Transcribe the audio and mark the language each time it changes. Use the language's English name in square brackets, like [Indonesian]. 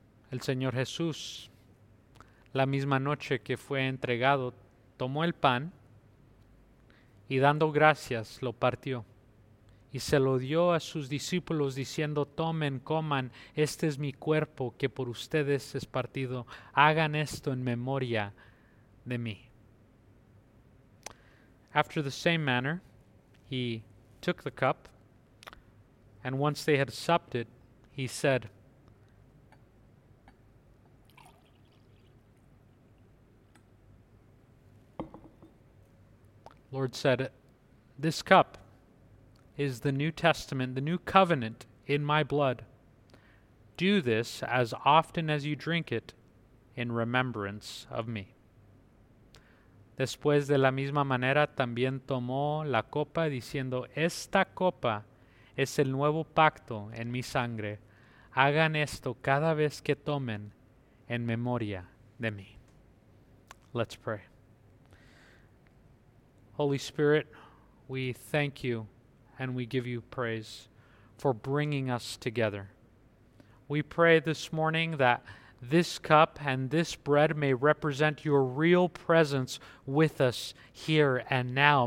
[Spanish] El Señor Jesús, la misma noche que fue entregado, tomó el pan y dando gracias lo partió y se lo dio a sus discípulos diciendo, tomen, coman, este es mi cuerpo que por ustedes es partido, hagan esto en memoria de mí. [English] After the same manner, he took the cup and once they had supped it, he said, Lord said, this cup is the New Testament, the new covenant in my blood. Do this as often as you drink it in remembrance of me. [Spanish] Después de la misma manera también tomó la copa diciendo, esta copa es el nuevo pacto en mi sangre. Hagan esto cada vez que tomen en memoria de mí. [English] Let's pray. Holy Spirit, we thank you and we give you praise for bringing us together. We pray this morning that this cup and this bread may represent your real presence with us here and now.